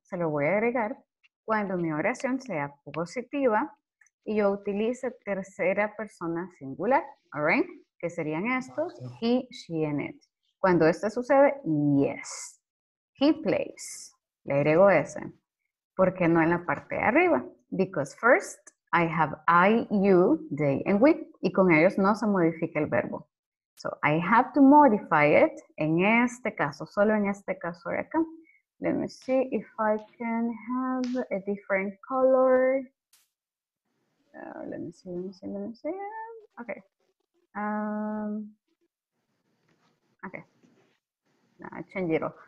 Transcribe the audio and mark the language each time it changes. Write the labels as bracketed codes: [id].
[es] Se lo voy a agregar cuando mi oración sea positiva y yo utilice tercera persona singular, [en] all right? [es] Que serían estos, he, she, and it. Cuando esto sucede, yes. [en] He plays. [es] Le agrego ese. ¿Por qué no en la parte de arriba? [en] Because first, I have I, you, they, and we. [es] Y con ellos no se modifica el verbo. [en] So, I have to modify it [es] en este caso, solo en este caso de acá. [en] Let me see if I can have a different color. Let me see. Okay. Okay. No, I change it all.